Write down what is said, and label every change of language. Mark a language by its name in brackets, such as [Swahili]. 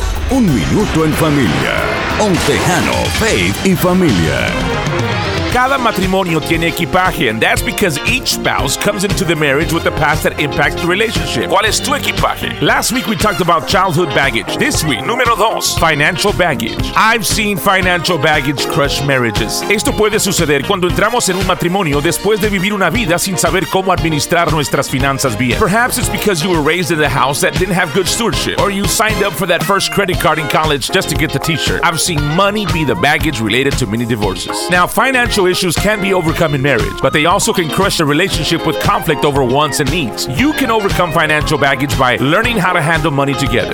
[Spanish] Un minuto en familia, un tejano, Faith y Familia. Cada matrimonio tiene equipaje, [English] and that's because each spouse comes into the marriage with a past that impacts the relationship. [Spanish] ¿Cuál es tu equipaje? [English] Last week we talked about childhood baggage. This week, [Spanish] número dos, [English] financial baggage. I've seen financial baggage crush marriages. [Spanish] Esto puede suceder cuando entramos en un matrimonio después de vivir una vida sin saber cómo administrar nuestras finanzas bien. [English] Perhaps it's because you were raised in a house that didn't have good stewardship, or you signed up for that first credit card in college just to get the t-shirt. I've seen money be the baggage related to many divorces. Now, financial issues can be overcome in marriage, but they also can crush a relationship with conflict over wants and needs. You can overcome financial baggage by learning how to handle money together.